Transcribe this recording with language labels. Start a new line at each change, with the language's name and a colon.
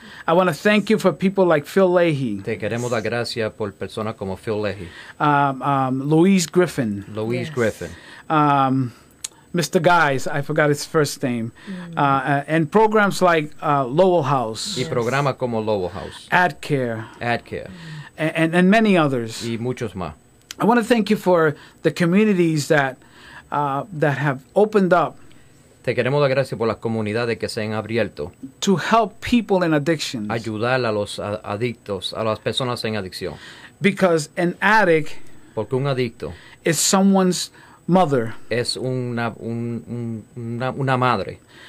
English: I want to thank you for people like Phil Leahy.
Spanish: Te queremos dar gracias por personas como Phil Leahy.
English: Louise Griffin. Louise yes. Griffin. Mr. Guys, I forgot his first name. Mm-hmm. And programs like Lowell House.
Spanish: Y programas como Lowell House.
English: AdCare. Mm-hmm. And many others.
Spanish: Y muchos más.
English: I want to thank you for the communities that have opened up.
Spanish: Te queremos dar gracias por las comunidades que se han abierto.
English: To help people in addictions.
Spanish: Ayudar a los adictos, a las personas en adicción.
English: Because an addict.
Spanish: Porque un adicto.
English: Is someone's mother.
Spanish: Es una madre.